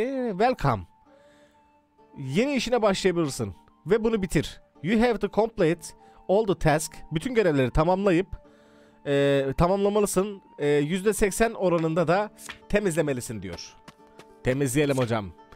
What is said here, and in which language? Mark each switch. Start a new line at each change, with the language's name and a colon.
Turkish: Welcome. Yeni işine başlayabilirsin ve bunu bitir.
English: You have to complete all the task.
Turkish: Bütün görevleri tamamlayıp tamamlamalısın. %80 oranında da temizlemelisin diyor. Temizleyelim hocam.